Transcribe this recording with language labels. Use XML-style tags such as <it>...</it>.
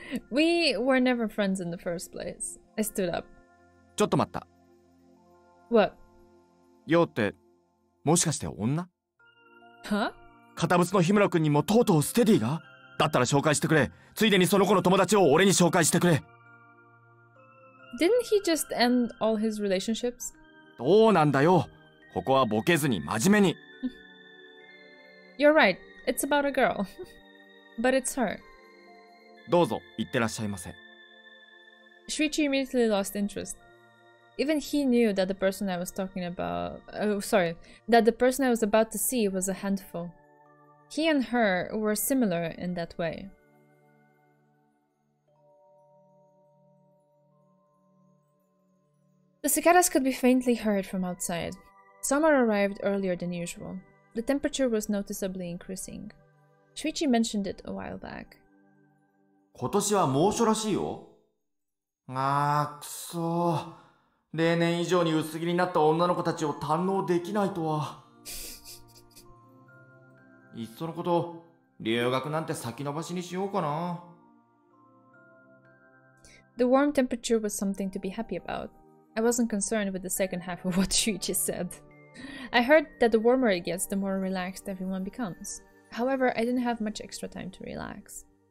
<en>We were never friends in the first place. I stood up.</en> <ja>ちょっと待った。</ja> <en>What?</en> <ja>ヨウって、もしかして女? Huh? 堅物の日村くんにもとうとうステディが?だったら紹介してくれ。ついでにその子の友達を俺に紹介してくれ。</ja> <en>Didn't he just end all his relationships?</en> <ja>どうなんだよ。ここはボケずに真面目に。</ja> <en>You're right. It's about a girl. But it's her.</en> <ja>どうぞ、行ってらっしゃいませ。</ja> <en>Shuichi immediately lost interest. Even he knew that the person I was talking about... that the person I was about to see was a handful. He and her were similar in that way. The cicadas could be faintly heard from outside. Summer arrived earlier than usual. The temperature was noticeably increasing. Shuichi mentioned it a while back.</en> <ja>今年は猛暑らしいよ。あーくそー。例年以上に薄着になった女の子たちを堪能できないとは。いっそのこと、留学なんて先延ばしにしようかな。</ja> <en>The warm temperature was something to be happy about. I wasn't concerned with the second half of what Shuichi said. I heard that the warmer it gets, the more relaxed everyone becomes. However, I didn't have much extra time to relax.</en>